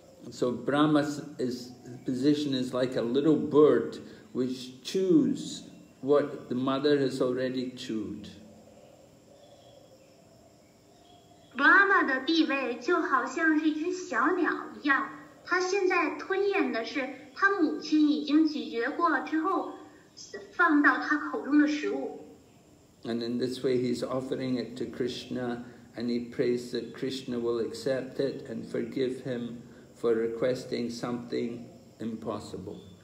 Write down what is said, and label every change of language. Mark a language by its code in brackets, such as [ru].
[en] So Brahma's position is like a little bird which chews what the mother has already chewed. [zh] Brahma 的地位就好像是一只小鸟一样，他现在吞咽的是他母亲已经咀嚼过之后放到他口中的食物。 [en] And in this way he's offering it to Krishna, and he prays that Krishna will accept it and forgive him for requesting something impossible.